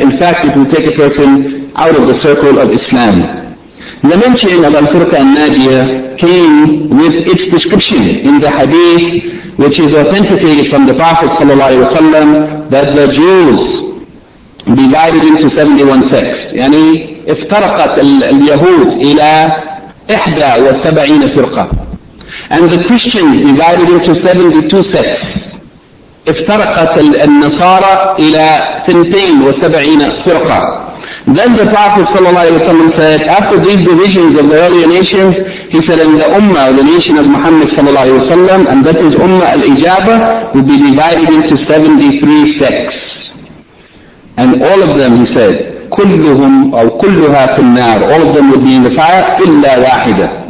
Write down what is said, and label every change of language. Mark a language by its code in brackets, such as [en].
[en] In fact, it will take a person out of the circle of Islam. The mention of al-firqa al-najiyah came with its description in the hadith, which is authenticated from the Prophet ﷺ, that the Jews divided into 71 sects. [ar] Yani, افترقت اليهود إلى 71 فرقة. [en] And the Christians divided into 72 sects. [ar] افترقت النصارى إلى 72 فرقة. [en] Then the Prophet ﷺ said, after these divisions of the earlier nations, he said, and the Ummah, the nation of Muhammad ﷺ, and that is Ummah al-Ijabah, will be divided into 73 sects. And all of them, he said, [ar] كلهم أو كلها في النار, [en] all of them will be in the fire, [ar] إلا واحدة.